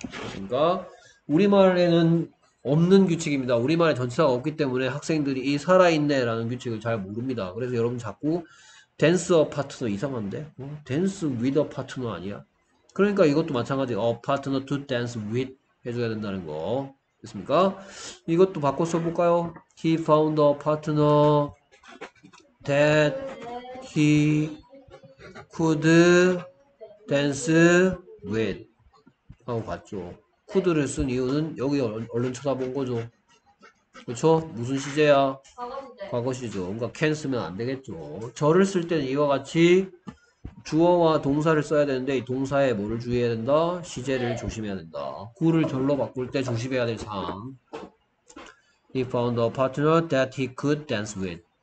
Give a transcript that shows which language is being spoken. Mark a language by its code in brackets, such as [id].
[ko] 그러니까 우리말에는 없는 규칙입니다. 우리말에 전치사가 없기 때문에 학생들이 이 살아있네라는 규칙을 잘 모릅니다. 그래서 여러분 자꾸 [en] 댄스 어 파트너 [ko] 이상한데? 어? [en] 댄스 위드 어 파트너 [ko] 아니야? 그러니까 이것도 마찬가지. [en] 어 파트너 투 댄스 위드 [ko] 해줘야 된다는 거. 됐습니까? 이것도 바꿔 써볼까요? [en] He found a partner that he could dance with. [ko] 하고 갔죠. 쿠드를 쓴 이유는 여기 얼른 쳐다본 거죠. 그렇죠? 무슨 시제야? 과거 시제죠. 그러니까 can 쓰면 안 되겠죠. 절을 쓸 때는 이와 같이 주어와 동사를 써야 되는데 이 동사에 뭐를 주의해야 된다? 시제를 조심해야 된다. 구를 절로 바꿀 때 조심해야 될 사항. [en] He found a partner that he could dance with.